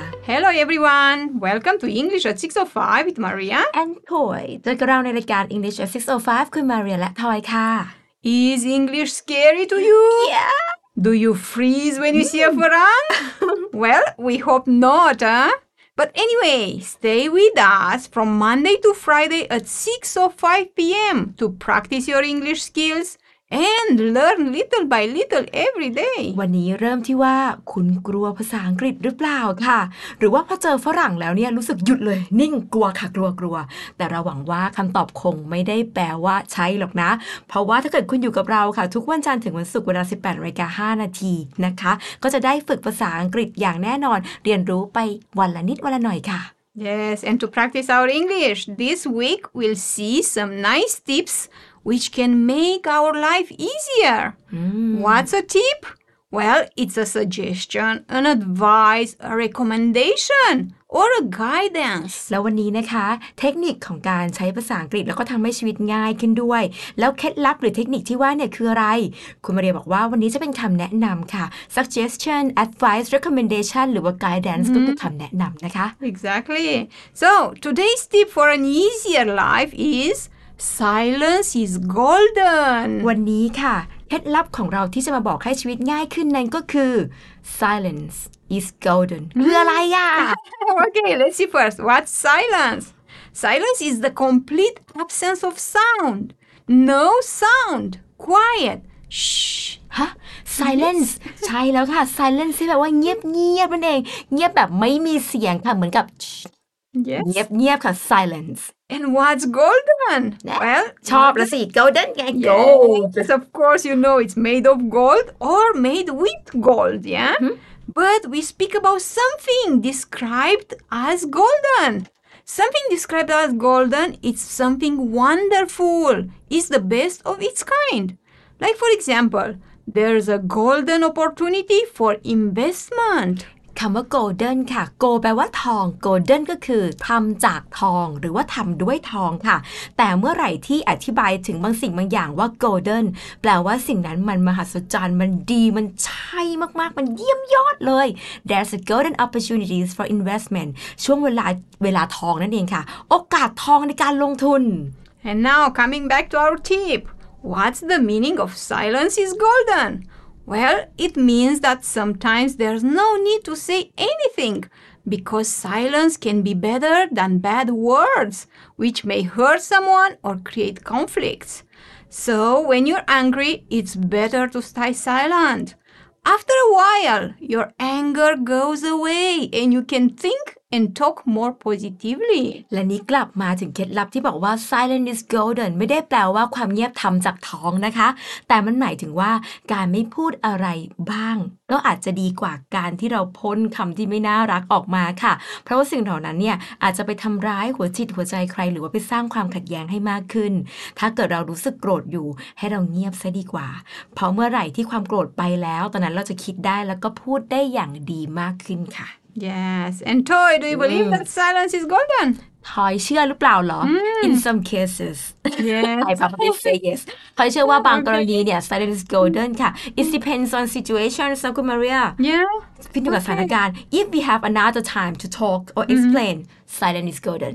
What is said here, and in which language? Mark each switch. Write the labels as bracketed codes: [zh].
[en] Hello everyone, welcome to English at 6:05 with Maria and Toy. [th] เจอกับเราในรายการ English at 6:05 คุณมาเรียและทอยค่ะ [en] Is English scary to you? Yeah. Do you freeze when you see a foreign? Well, we hope not, huh? But anyway, stay with us from Monday to Friday at 6:05 p.m. to practice your English skills and learn little by little every day. [th] วันนี้เริ่มที่ว่าคุณกลัวภาษาอังกฤษหรือเปล่าค่ะหรือว่าพอเจอฝรั่งแล้วเนี่ยรู้สึกหยุดเลยนิ่งกลัวค่ะกลัวแต่เราหวังว่าคำตอบคงไม่ได้แปลว่าใช่หรอกนะเพราะว่าถ้าเกิดคุณอยู่กับเราค่ะทุกวันจันทร์ถึงวันศุกร์เวลา 18:05 น. นะคะก็จะได้ฝึกภาษาอังกฤษอย่างแน่นอนเรียนรู้ไปวันละนิดวันละหน่อยค่ะ [en] Yes, and to practice our English, this week we'll see some nice tips which can make our life easier. Mm. What's a tip? Well, it's a suggestion, an advice, a recommendation, or a guidance. [th] แล้ววันนี้นะคะเทคนิคของการใช้ภาษาอังกฤษแล้วก็ทำให้ชีวิตง่ายขึ้นด้วยแล้วเคล็ดลับหรือเทคนิคที่ว่าเนี่ยคืออะไรคุณมาเรียบอกว่าวันนี้จะเป็นคำแนะนำค่ะ suggestion, advice, recommendation หรือว่า guidance ก็คือคำแนะนำนะคะ [en] Exactly. So today's tip for an easier life is silence is golden. [th] วันนี้ค่ะเคล็ดลับของเราที่จะมาบอกให้ชีวิตง่ายขึ้นนั้นก็คือ [en] silence is golden [th] คืออะไรอ่ะ [en] Okay, let's see first. What's silence? Silence is the complete absence of sound. No sound. Quiet. Shh. Huh? Silence. Yes. [th] ใช่แล้วค่ะ silence ที่แบบว่าเงียบๆนั่นเองเงียบแบบไม่มีเสียงค่ะเหมือนกับ [en] Yes. [th] เงียบๆค่ะ silence [en] and what's golden yeah. [th] well ชอบละสิ golden ไง [en] gold yes of course you know it's made of gold or made with gold yeah mm-hmm. but we speak about something described as goldenSomething described as golden it's something wonderful it's the best of its kind like for example there's a golden opportunity for investment [th] คำว่า golden ค่ะ gold แปลว่าทอง golden ก็คือทำจากทองหรือว่าทำด้วยทองค่ะแต่เมื่อไหร่ที่อธิบายถึงบางสิ่งบางอย่างว่า golden แปลว่าสิ่งนั้นมันมหัศจรรย์มันดีมันใช่มากๆมันเยี่ยมยอดเลย [en] there's a golden opportunities for investment [th] ช่วงเวลาทองนั่นเองค่ะโอกาสทองในการลงทุน [en] and now coming back to our tip what's the meaning of silence is goldenWell, it means that sometimes there's no need to say anything because silence can be better than bad words, which may hurt someone or create conflicts. So when you're angry, it's better to stay silent. After a while, your anger goes away and you can think and talk more positively. [th] และนี่กลับมาถึงเคล็ดลับที่บอกว่า [en] silence is golden [th] ไม่ได้แปลว่าความเงียบทำจากท้องนะคะแต่มันหมายถึงว่าการไม่พูดอะไรบ้างก็อาจจะดีกว่าการที่เราพ่นคำที่ไม่น่ารักออกมาค่ะเพราะว่าสิ่งเหล่านั้นเนี่ยอาจจะไปทำร้ายหัวจิตหัวใจใครหรือว่าไปสร้างความขัดแย้งให้มากขึ้นถ้าเกิดเรารู้สึกโกรธอยู่ให้เราเงียบซะดีกว่าเพราะเมื่อไหร่ที่ความโกรธไปแล้วตอนนั้นเราจะคิดได้แล้วก็พูดได้อย่างดีมากขึ้นค่ะ [en] Yes, and Toy, do you believe that silence is golden? [th] Toy, เชื่อหรือเปล่าหรอ [en] In some cases, yes. I probably say yes. Toy, [th] เชื่อว่าบางกรณีเนี่ย [en] silence is golden ค่ะ It depends on situation, so good Maria. Yeah. [th] ขึ้นอยู่กับสถานการณ์ [en] If we have another time to talk or explain, silence is golden.